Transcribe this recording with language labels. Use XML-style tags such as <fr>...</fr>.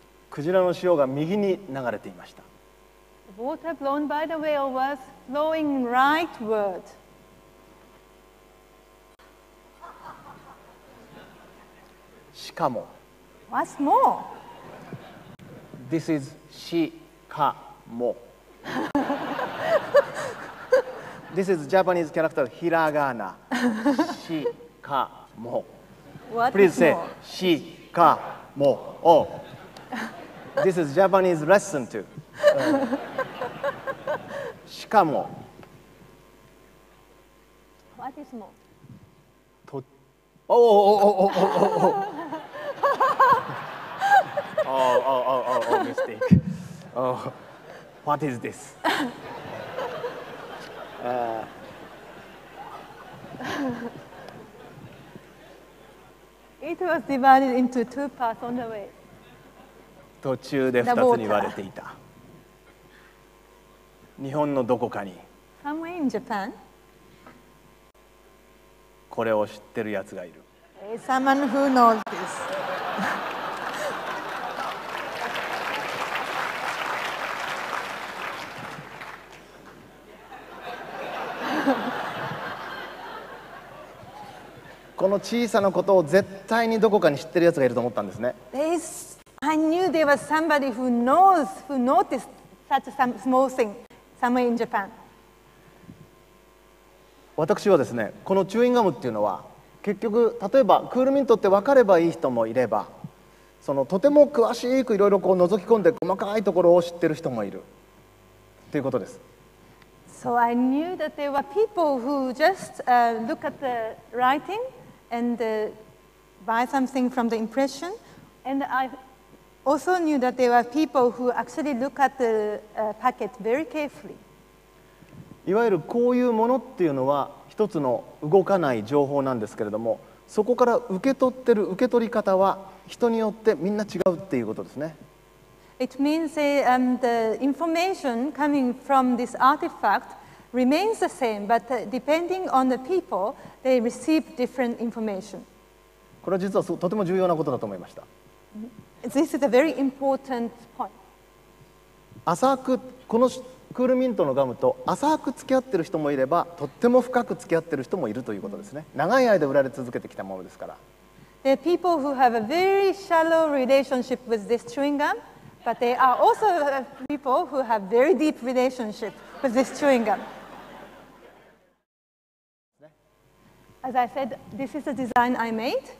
<ja>クジラの潮が右に流れていました。</ja> <en>The water blown by the whale was blowing rightward.</en> <ja>しかも</ja> <en>What's more? This is しかも This is Japanese character hiragana.</en> <ja>しかも。</ja> <en>What Please say more?</en> <ja>しかも。Oh.</ja> <en>This is Japanese lesson too.</en> <ja>しかも。</ja> <en>What is more? mistake. Oh. What is this? It was divided into two parts on the way.</en> <ja>途中で2つに割れていた。日本のどこかに。</ja> <en>Somewhere in Japan.</en> <ja>これを知ってるやつがいる。</ja> <en>Someone who knows this.</en> <ja>この小さなことを絶対にどこかに知ってるやつがいると思ったんですね。</ja> <en>I knew there was somebody who knows, who noticed such a small thing somewhere in Japan.</en> <ja>私はですね、このチューインガムっていうのは結局、例えばクールミントって分かればいい人もいれば、そのとても詳しくいろいろこう覗き込んで細かいところを知ってる人もいるということです。</ja> <en>So I knew that there were people who just look at the writing and buy something from the impression, and I also knew that there were people who actually look at the packet very carefully.</en> <ja>いわゆるこういうものっていうのは一つの動かない情報なんですけれども、そこから受け取ってる受け取り方は人によってみんな違うっていうことですね。</ja> <en>It means the information coming from this artifact remains the same, but depending on the people, they receive different information.</en> <ja>これは実はとても重要なことだと思いました。</ja> <en>This is a very important point.</en> <ja>浅く、このクールミントのガムと浅く付き合ってる人もいれば、とっても深く付き合ってる人もいるということですね。長い間売られ続けてきたものですから。</ja> <en>There are people who have a very shallow relationship with this chewing gum. But there are also people who have very deep relationship with this chewing gum. As I said, this is a design I made.</en>